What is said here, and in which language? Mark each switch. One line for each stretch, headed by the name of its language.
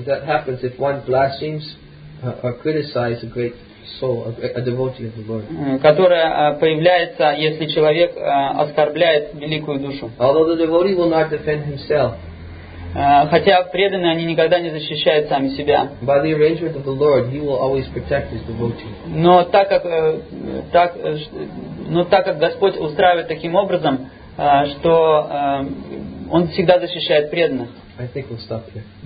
English: That happens if one blasphemes or criticizes a great soul, a devotee of the Lord.
Russian: Которая появляется, если человек оскорбляет великую душу.
English: Although the devotee will not defend himself.
Russian: Хотя преданные, они никогда не защищают сами себя.
English: By the arrangement of the Lord, he will always protect his devotee.
Russian: Но так как Господь устраивает таким образом, что Он всегда защищает преданных.
English: I think we'll stop here.